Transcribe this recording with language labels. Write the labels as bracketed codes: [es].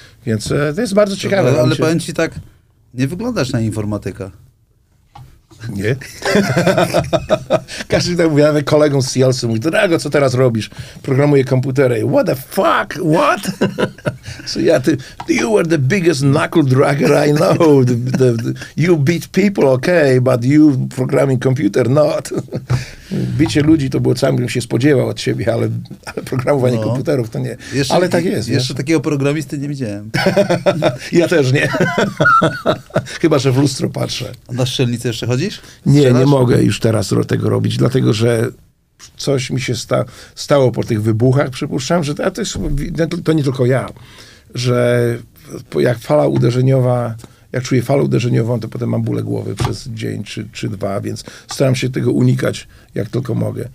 [pl] Więc to jest bardzo ciekawe. Ale powiem ci tak, nie wyglądasz na informatyka. Nie? Każdy tak mówi, nawet kolegom z CLS-u mówi, Drago, co teraz robisz? Programuję komputery. [en] What the fuck? What? So ja, you were the biggest knuckle dragger I know. You beat people, okay, but you programming computer, not. [pl] Bicie ludzi to było całym, bym się spodziewał od siebie, ale programowanie komputerów to nie. Jeszcze, ale tak jest. Jeszcze takiego programisty nie widziałem. Ja też nie. Chyba, że w lustro patrzę. A na strzelnicę jeszcze chodzisz? Strzelasz? Nie, nie mogę już teraz tego robić, dlatego że coś mi się stało po tych wybuchach, przypuszczam, że to nie tylko ja, że jak fala uderzeniowa, jak czuję falę uderzeniową, to potem mam bóle głowy przez dzień czy dwa, więc staram się tego unikać, jak tylko mogę.